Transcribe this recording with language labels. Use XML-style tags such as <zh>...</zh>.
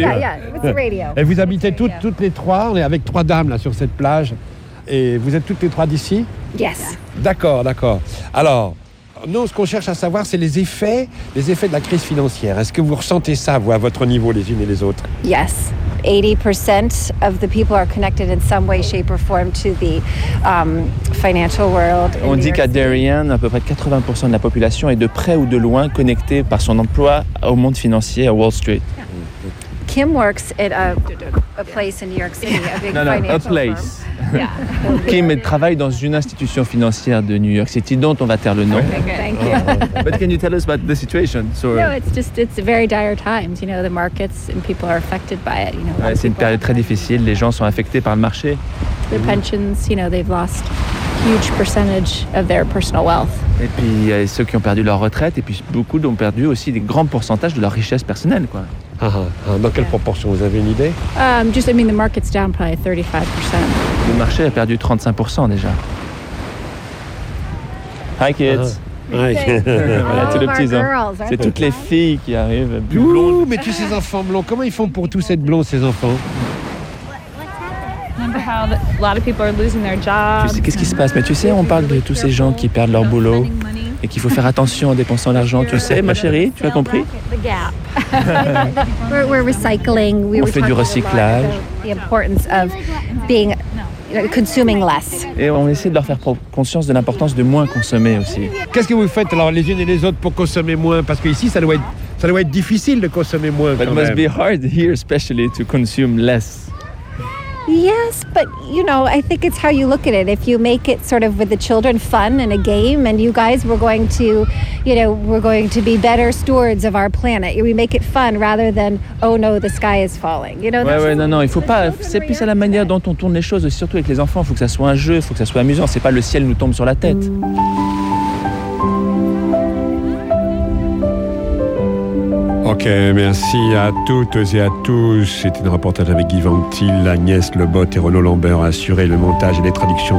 <en>Yeah, yeah, it's radio.</en> <fr>Et vous habitez toutes les trois, on est avec trois dames là sur cette plage, et vous êtes toutes les trois d'ici?</fr> <en>Yes.</en> <fr>D'accord. Alors, nous, ce qu'on cherche à savoir, c'est les effets de la crise financière. Est-ce que vous ressentez ça, vous, à votre niveau, les unes et les autres?</fr> <en>Yes. 80% of the people are connected in some way, shape or form to the financial world.</en> <fr>On dit qu'à Darien, à peu près 80% de la population est de près ou de loin connectée par son emploi au monde financier, à Wall Street.</fr> <en>Yeah. Kim works at a place in New York City, a big financial firm. A place.</en> <fr>Kim travaille dans une institution financière de New York City dont on va taire le nom.</fr> <en>Okay, thank you. But can you tell us about the situation? Sort of? No, it's very dire times. You know, the markets and people are affected by it. You know,</en> <fr>ouais, c'est une période très difficile. Les gens sont affectés par le marché.</fr> <en>Their pensions, you know, they've lost huge percentage of their personal wealth.</en> <fr>Et puis ceux qui ont perdu leur retraite, et puis beaucoup ont perdu aussi des grands pourcentages de leur richesse personnelle, quoi. Dans quelle proportion, vous avez une idée?</fr> <en>The market's down probably 35%.</en> <fr>Le marché a perdu 35% déjà.</fr> <en>Hi kids.</en> <fr>Voilà, tous les petits, hein. C'est toutes les filles qui arrivent. Ouh, mais tous ces enfants blonds, comment ils font pour tous être blonds, ces enfants? Tu sais qu'est-ce qui se passe? Mais tu sais, on parle de tous ces gens qui perdent leur boulot et qu'il faut faire attention en dépensant l'argent, tu sais, ma chérie, tu as compris?</fr> <en>We're recycling.</en> <fr>On fait du recyclage.</fr> <en>The importance of being consuming less.</en> <fr>Et on essaie de leur faire conscience de l'importance de moins consommer aussi. Qu'est-ce que vous faites alors les unes et les autres pour consommer moins? Parce qu'ici, ça doit être difficile de consommer moins.</fr> <en>It must be hard here, especially to consume less. Yes, but you know, I think it's how you look at it. If you make it sort of with the children fun and a game, and you guys, we're going to be better stewards of our planet. We make it fun rather than oh no, the sky is falling. You know.</en> <fr>Non, il faut pas. C'est plus à la manière dont on tourne les choses, surtout avec les enfants. Il faut que ça soit un jeu, il faut que ça soit amusant. C'est pas le ciel nous tombe sur la tête. Ok, merci à toutes et à tous. C'était un reportage avec Guy Van Til, Agnès Lebotte et Renaud Lambert a assuré le montage et les traductions.</fr>